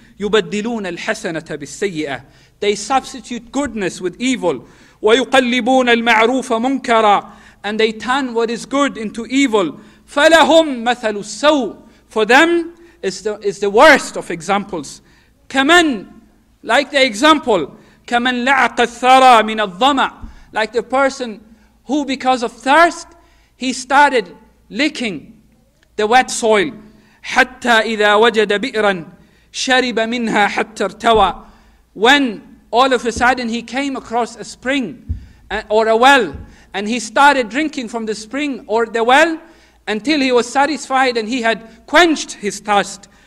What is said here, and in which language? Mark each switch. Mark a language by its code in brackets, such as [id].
[ar] يبدلون الحسنة بالسيئة. [en] They substitute goodness with evil. [ar] ويقلبون المعروف منكرا. [en] And they turn what is good into evil. [ar] فَلَهُمْ مَثَلُ السَّوءِ. [en] For them is the worst of examples. [ar] كَمَنْ, [en] like the example, [ar] كَمَنْ لَعَقَ الثَّرَى مِنَ الظَّمَعِ. [en] Like the person who, because of thirst, he started licking the wet soil. [ar] حَتَّى إِذَا وَجَدَ بِئْرًا شَرِبَ مِنْهَا حَتَّى ارْتَوَى. [en] When all of a sudden he came across a spring or a well, and he started drinking from the spring or the well until he was satisfied and he had quenched his thirst.